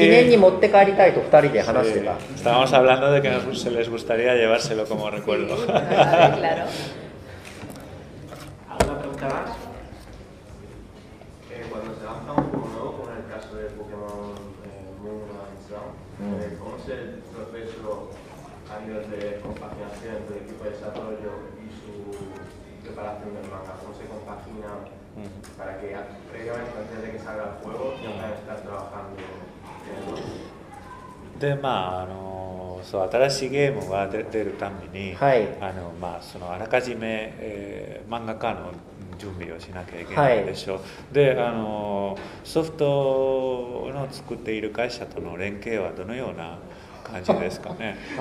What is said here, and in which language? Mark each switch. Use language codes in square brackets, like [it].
[ja] 記念に持って帰りたいと2人で話してた。 [es] Estábamos hablando de que se les gustaría llevárselo como recuerdo. Claro. ¿Alguna pregunta más? Cuando se lanza un juego nuevo, como en el caso de Pokémon Moon and Sun, ¿cómo es el proceso a nivel de compaginación entre el equipo de desarrollo y su preparación del manga? ¿Cómo se compagina para que previamente, antes de que salga el juego, ya puedan estar trabajando en el juego? [ja] でまあ、そう新しいゲームが出るたびに、はい、まあ、そのあらかじめ、漫画家の準備をしなきゃいけないでしょう、はい、でソフトの作っている会社との連携はどのような感じですかね。